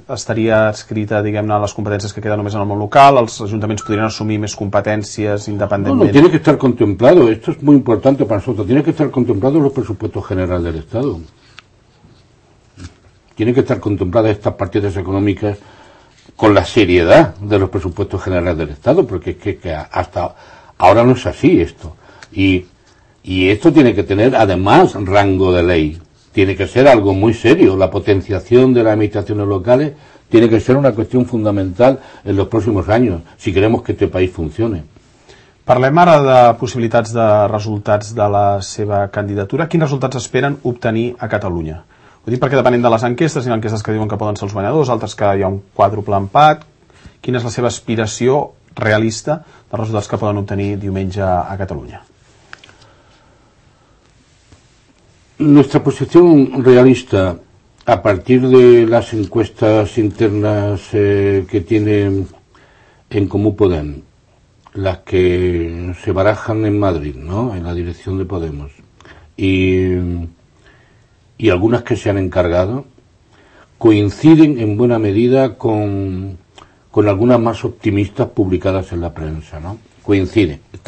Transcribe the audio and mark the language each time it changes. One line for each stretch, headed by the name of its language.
Catalan: Estaria escrita, diguem-ne, les competències que queden només en el món local? Els ajuntaments podrien assumir més competències independentment?
Spanish: No, tiene que estar contemplado. Esto es muy importante para nosotros. Tiene que estar contemplado los presupuestos generales del Estado. Tiene que estar contempladas estas partidas económicas con la seriedad de los presupuestos generales del Estado, porque es que hasta ahora no es así esto. Y esto tiene que tener, además, rango de ley. Tiene que ser algo muy serio. La potenciación de las administraciones locales tiene que ser una cuestión fundamental en los próximos años, si queremos que este país funcione.
Catalan: Parlem ara de possibilitats de resultats de la seva candidatura. Quins resultats esperen obtenir a Catalunya? Ho dic perquè depenent de les enquestes, hi ha enquestes que diuen que poden ser els guanyadors, altres que hi ha un quàdruple empat. Quina és la seva aspiració realista dels resultats que poden obtenir diumenge a Catalunya?
Spanish: Nuestra posición realista, a partir de las encuestas internas que tiene en Comú Podem, las que se barajan en Madrid, ¿no?, en la dirección de Podemos, y algunas que se han encargado, coinciden en buena medida con algunas más optimistas publicadas en la prensa, ¿no? Coinciden.